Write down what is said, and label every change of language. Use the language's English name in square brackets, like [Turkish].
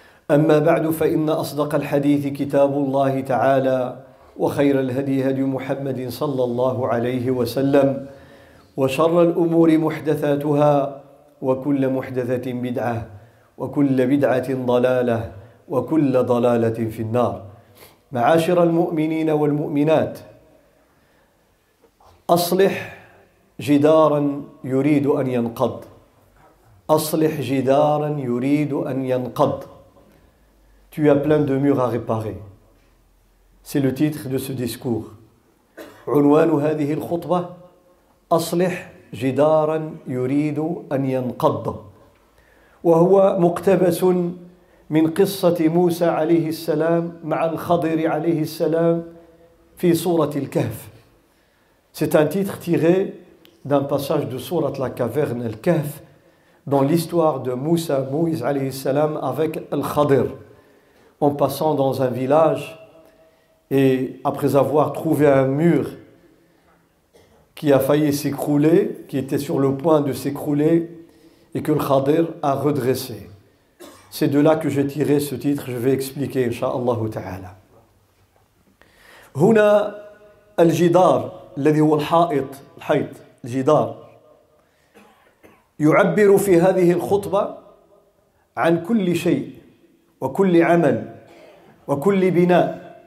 [Arabic] أما بعد، فإن أصدق الحديث كتاب الله تعالى، وخير الهدي هدي محمد صلى الله عليه وسلم، وشر الأمور محدثاتها، وكل محدثة بدعة، وكل بدعة ضلالة، وكل ضلالة في النار. معاشر المؤمنين والمؤمنات، أصلح جدارا يريد أن ينقض، أصلح جدارا يريد أن ينقض. [French] Tu as plein de murs à réparer. C'est le titre de ce discours. [Arabic] عنوان هذه الخطبة أصلح جدارا يريد أن ينقض، وهو مقتبس من قصة موسى عليه السلام مع الخضر عليه السلام في سورة الكهف. [French] C'est un titre tiré d'un passage de sourate la caverne al-Kahf dans l'histoire de Moussa, Moïse alayhi salam, avec al-Khadir, en passant dans un village et après avoir trouvé un mur qui a failli s'écrouler, qui était sur le point de s'écrouler et que al-Khadir a redressé. C'est de là que j'ai tiré ce titre, je vais expliquer inshallah ta'ala. [Arabic] هنا الجدار الذي هو الحائط الحيط الجدار يعبر في هذه الخطبة عن كل شيء وكل عمل وكل بناء.